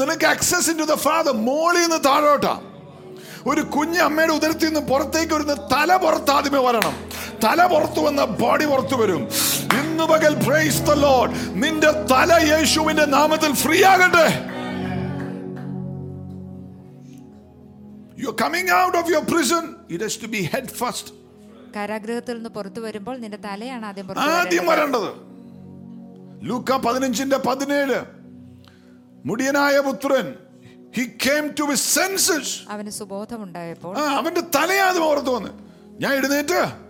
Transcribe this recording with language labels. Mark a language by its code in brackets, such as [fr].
[ml] നിനക്ക് [en] access into the Father [ml] മോളിൽ നിന്ന് താഴോട്ട. ഒരു കുഞ്ഞു അമ്മയുടെ ഉദരത്തിൽ നിന്ന് പുറത്തേക്ക് വരുന്ന തല പുറത്ത് ആദ്യമേ വരണം. തല പുറത്തു വന്ന ബോഡി പുറത്തു വരും. ഇന്ന് പകൽ പ്രൈസ് ദ ലോർഡ്, നിന്റെ തല യേശുവിന്റെ നാമത്തിൽ ഫ്രീ ആകട്ടെ. [en] You are coming out of your prison, it has to be head first. [ml] കാരാഗ്രഹത്തിൽ നിന്ന് പുറത്തു വരുമ്പോൾ നിന്റെ തലയാണ് ആദ്യം വരേണ്ടത്. ലൂക്കാ 15:17, മുടിയനായ പുത്രൻ, [en] he came to his senses. [ml] അവന് സുബോധം ഉണ്ടായപ്പോൾ അവന്റെ തലയാണ് പുറത്തു വന്നത്. ഞാൻ എഴുന്നേറ്റ്